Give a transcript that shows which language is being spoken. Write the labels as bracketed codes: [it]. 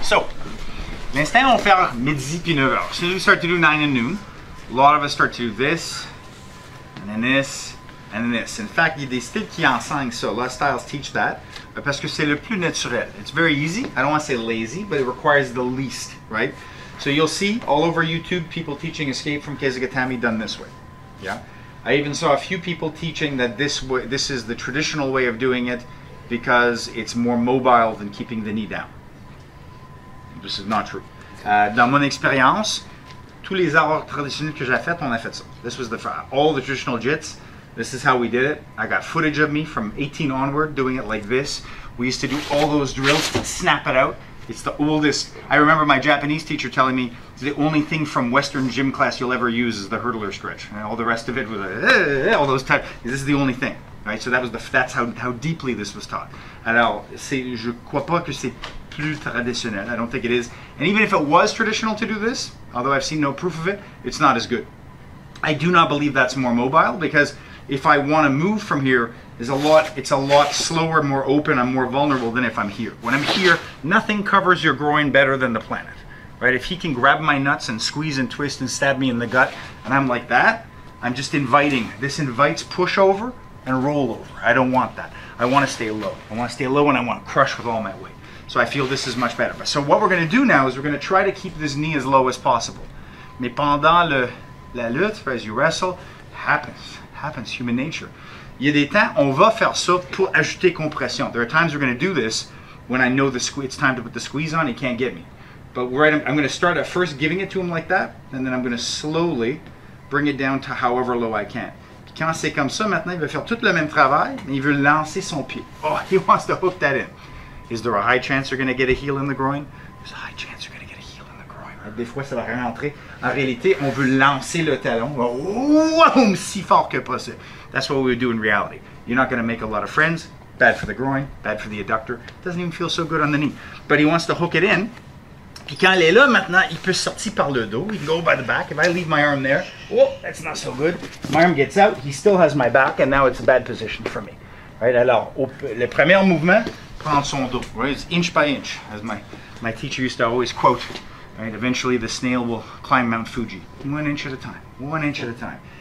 [fr] So, l'instant, on va faire midi puis 9h. [en] As soon as we start to do 9 and noon, a lot of us start to do this, and then this. And this. In fact, [fr] il y a des styles qui enseignent ça. [en] A lot of styles teach that. [fr] Parce que c'est le plus naturel. [en] It's very easy. I don't want to say lazy, but it requires the least, right? So you'll see all over YouTube people teaching escape from Kesa Gatame done this way. Yeah. I even saw a few people teaching that this is the traditional way of doing it because it's more mobile than keeping the knee down. This is not true. [fr] Dans mon expérience, tous les erreurs traditionnels que j'ai fait, on a fait ça. [en] This was all the traditional jits. This is how we did it. I got footage of me from 18 onward doing it like this. We used to do all those drills, snap it out. It's the oldest. I remember my Japanese teacher telling me, the only thing from Western gym class you'll ever use is the hurdler stretch. And all the rest of it was all those types. This is the only thing, right? So that's how deeply this was taught. [fr] Alors, je crois pas que c'est plus traditionnel. [en] I don't think it is. And even if it was traditional to do this, although I've seen no proof of it, it's not as good. I do not believe that's more mobile because if I want to move from here, it's a lot slower, more open, I'm more vulnerable than if I'm here. When I'm here, nothing covers your groin better than the planet, right? If he can grab my nuts and squeeze and twist and stab me in the gut, and I'm like that, I'm just inviting. This invites pushover and rollover. I don't want that. I want to stay low. I want to stay low and I want to crush with all my weight. So I feel this is much better. So what we're going to do now is we're going to try to keep this knee as low as possible. [fr] Mais pendant la lutte, [en] as you wrestle, happens, human nature. [fr] Il y a des temps, on va faire ça pour ajouter compression. [en] There are times we're going to do this when I know it's time to put the squeeze on, he can't get me. But I'm going to start at first giving it to him like that, and then I'm going to slowly bring it down to however low I can. [fr] Quand c'est comme ça, maintenant, il va faire tout le même travail, mais il veut lancer son pied. [en] Oh, he wants to hook that in. Is there a high chance you're going to get a heel in the groin? There's a high chance you're going to get a heel in the groin. [fr] Des fois, ça va rentrer. En réalité, on veut lancer le talon. [en] Wow, [fr] si fort que possible. [en] That's what we would do in reality. You're not going to make a lot of friends. Bad for the groin. Bad for the adductor. Doesn't even feel so good on the knee. But he wants to hook it in. [fr] Puis quand il est là, maintenant, il peut sortir par le dos. [en] He can go by the back. If I leave my arm there, oh, that's not so good. My arm gets out. He still has my back, and now it's a bad position for me. Right? [fr] Alors, le premier mouvement, prendre son dos. [en] Right? It's inch by inch, as my teacher used to always quote. Right? Eventually the snail will climb Mount Fuji. 1 inch at a time. 1 inch at a time.